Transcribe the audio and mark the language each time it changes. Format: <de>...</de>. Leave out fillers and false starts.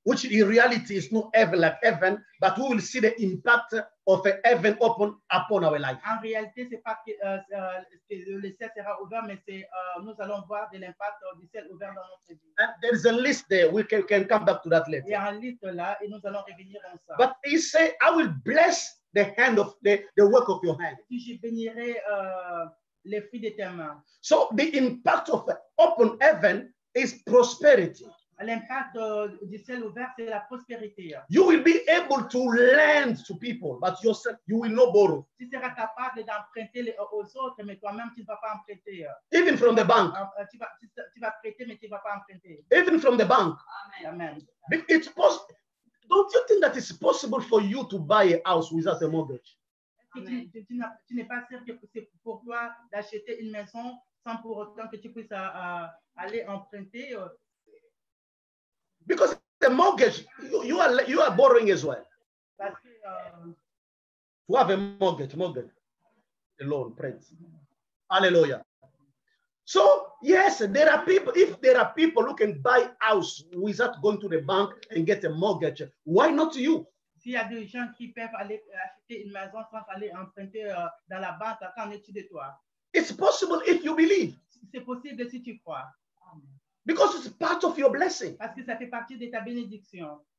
<en>Which in reality is not heaven like heaven, but we will see the impact of heaven open upon our life.</en> <fr>En réalité, c'est pas que le ciel sera ouvert, mais c'est nous allons voir de l'impact du ciel ouvert dans notre vie.</fr> <en>And there is a list there. We can come back to that later.</en> <fr>Il y a une liste là, et nous allons revenir dans ça.</fr> <en>But he say, I will bless the hand of the work of your hand.</en> <fr>Je bénirai les fruits de tes mains.</fr> <en>So the impact of open heaven is prosperity.</en> <fr>L'impact du ciel ouvert, c'est la prospérité.</fr> <en>You will be able to lend to people, but yourself, you will not borrow.</en> <fr>Tu seras capable d'emprunter aux autres, mais toi-même, tu ne vas pas emprunter.</fr> <en>Even from the bank.</en> <fr>Tu vas prêter, mais tu ne vas pas emprunter.</fr> <en>Even from the bank. Amen. It's possible. Don't you think that it's possible for you to buy a house without a mortgage?</en> <fr>Tu n'es pas sûr que c'est pour toi d'acheter une maison sans pour autant que tu puisses aller emprunter?</fr> <en>Because the mortgage, you are borrowing as well.</en> <fr>Parce que,</fr> <en>to have a mortgage, a loan, prince. Hallelujah. So yes, there are people. If there are people who can buy house without going to the bank and get a mortgage, why not you?</en> <fr>S'il y a des gens qui peuvent aller acheter une maison sans aller emprunter dans la banque, qu'en est-il de toi?</fr> <en>It's possible if you believe.</en> <fr>C'est possible si tu crois.</fr> <en>Because it's part of your blessing.</en> <fr>Parce que ça fait partie de ta bénédiction.</fr>